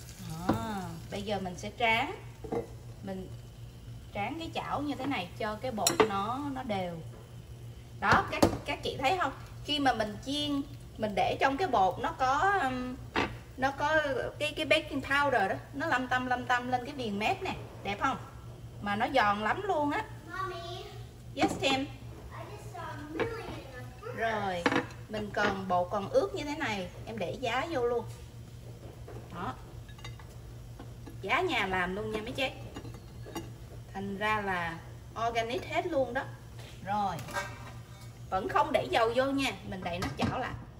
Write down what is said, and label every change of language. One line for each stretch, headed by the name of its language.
Vietnamese: Đó, bây giờ mình sẽ tráng, mình tráng cái chảo như thế này cho cái bột nó đều. Đó, các chị thấy không, khi mà mình chiên mình để trong cái bột nó có cái baking powder đó, nó lăm tăm lên cái viền mép nè, đẹp không, mà nó giòn lắm luôn á.
English: Mommy. Yes, Tim. I just saw a million of crumbs.
Vietnamese: Rồi mình còn bột còn ướt như thế này, em để giá vô luôn đó, giá nhà làm luôn nha mấy chị, thành ra là organic hết luôn đó. Rồi vẫn không để dầu vô nha, mình đậy nắp chảo lại.